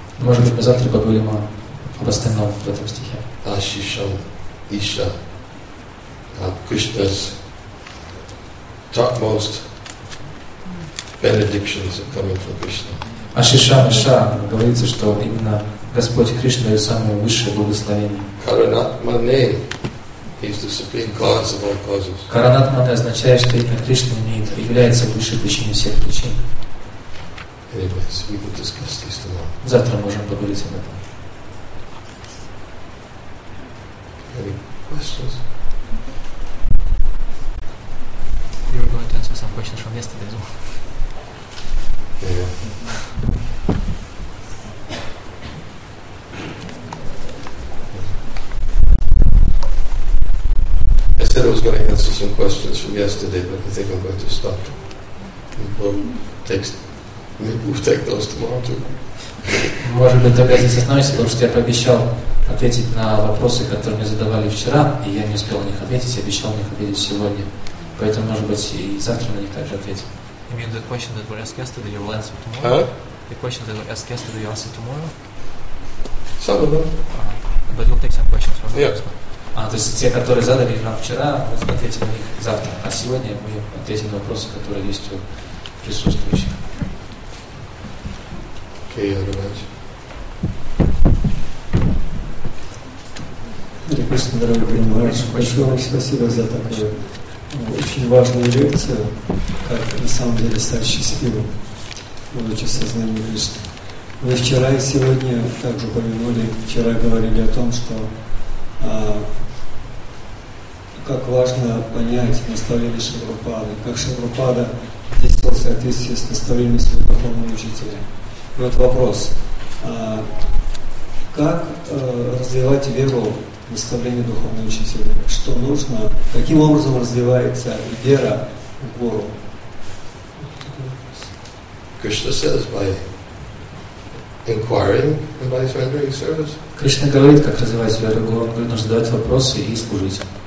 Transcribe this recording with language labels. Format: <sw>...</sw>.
<ru>Может быть, мы завтра поговорим об остальном в этом стихе.</ru> <sa>Ashisham Isha.</sa> <en>Krishna's topmost benedictions are coming from Krishna.</en> <sa>Ashisham Isha.</sa> <ru>Говорится, что именно Господь Кришна дает самое высшее благословение.</ru> <en>Каранатмане is the supreme cause of all causes.</en> <ru>Каранатмане означает, что именно Кришна является высшей причиной всех причин.</ru> <en>Anyways, we will discuss this tomorrow.</en> <ru>Завтра можем поговорить об этом.</ru> <en>Any questions? You were going to answer some questions from yesterday, so. Yeah. I said I was going to answer some questions from yesterday, but I think I'm going to stop. Maybe we'll take those tomorrow too.</en> <ru>Может быть, только здесь остановимся, потому что я пообещал ответить на вопросы, которые мне задавали вчера, и я не успел на них ответить, я обещал на них ответить сегодня. Поэтому, может быть, и завтра на них также ответим.</ru> <en>You mean the question that was asked yesterday, you will answer tomorrow? Huh? The question that was asked yesterday, you answer tomorrow? Some of them. But you'll take some questions from yeah. Them.</en> <ru>То есть те, которые задали нам вчера, мы ответим на них завтра. А сегодня мы ответим на вопросы, которые есть у присутствующих. Окей, Адамач. Прекрасно, дорогой Принимарович. Большое вам спасибо за такую очень важную лекцию, как на самом деле стать счастливым, будучи в сознании Кришны. Вы вчера и сегодня также упомянули, вчера говорили о том, что как важно понять наставление Шрилы, как Шрилы действовал в соответствии с наставлением своего духовного учителя. И вот вопрос. Как развивать веру в наставление духовного учителя? Что нужно? Каким образом развивается вера в гуру?</ru> <en>Кришна says by inquiring and by surrendering service.</en> <ru>Кришна говорит, как развивать веру в гуру. Он говорит, нужно задавать вопросы и служить.</ru>